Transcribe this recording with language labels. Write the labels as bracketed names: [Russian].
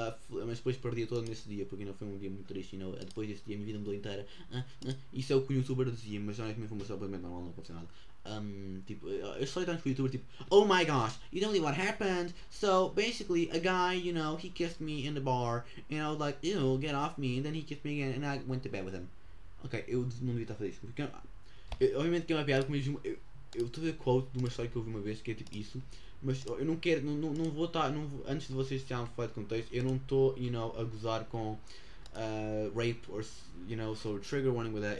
[Portuguese] Mas depois perdi toda nesse dia, porque não foi um dia muito triste, não. Depois desse dia a minha vida mudou inteira. Isso é o que o youtuber dizia, mas não é que minha informação normal, não aconteceu nada. tipo, eu só tanto com o youtuber, tipo, [English] oh my gosh, you don't know what happened. So basically a guy, you know, he kissed me in the bar and I was like, ew, get off me, and then he kissed me again and I went to bed with him. [Portuguese] Ok, eu não devia estar a fazer isso. Obviamente que é uma piada, mas eu estou a ver quote de uma história que eu ouvi uma vez que é tipo isso. Mas eu não quero, não vou estar, antes de vocês terem um fora de contexto, eu não estou, you know, a gozar com [English] rape or, you know, so trigger warning with that.